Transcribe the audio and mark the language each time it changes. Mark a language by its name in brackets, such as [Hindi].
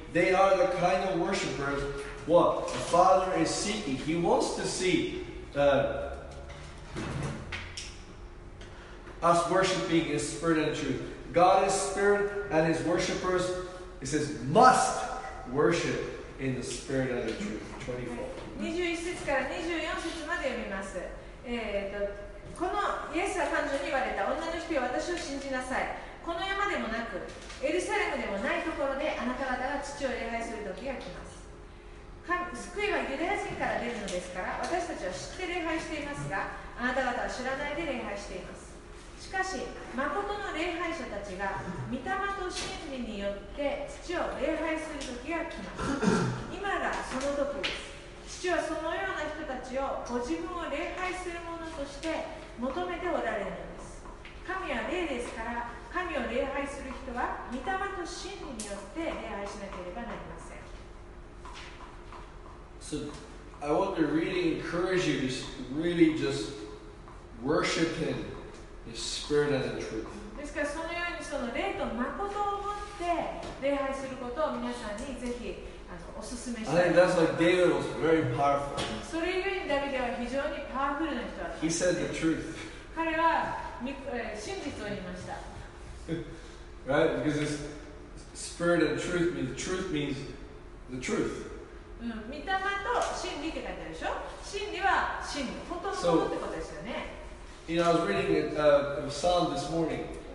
[English] They are the kind of worshipers what the Father is seeking. He wants to see us worshiping in Spirit and truth. God is Spirit, and His worshipers, it says, must worship in the Spirit and the truth. [Japanese] 21節から24節まで読みます。このイエスは彼女に言われた。女の人よ、私を信じなさい。この山でもなく、エルサレムでもないところであなた方が父を礼拝する時が来ます。救いはユダヤ人から出るのですから、私たちは知って礼拝していますが、あなた方は知らないで礼拝しています。しかし、誠の礼拝者たちが御霊と真理によって父を礼拝する時が来ます。今がその時です。父はそのような人たちをご自分を礼拝する者として求めておられるのです。神は霊ですから、神を礼拝する人は御霊と真理によって礼拝しなければなりません。 [English] So, I want to really encourage you to really just worship Him, His Spirit and the truth. [Japanese] ですから、そのようにその霊と誠を持って礼拝することを皆さんにぜひ。 [English] I think that's why David was very powerful. [Japanese] それゆえにダビデは非常にパワフルな人だった。 [English] He said the truth. [Japanese] 彼は真実を言いました。 [English] Right? Because this spirit and truth means truth means the truth. [Japanese] うん、御霊と真理って書いてあるでしょ。真理は真理、本当のことってことですよね。 [English] So, you know, I was reading a psalm this morning.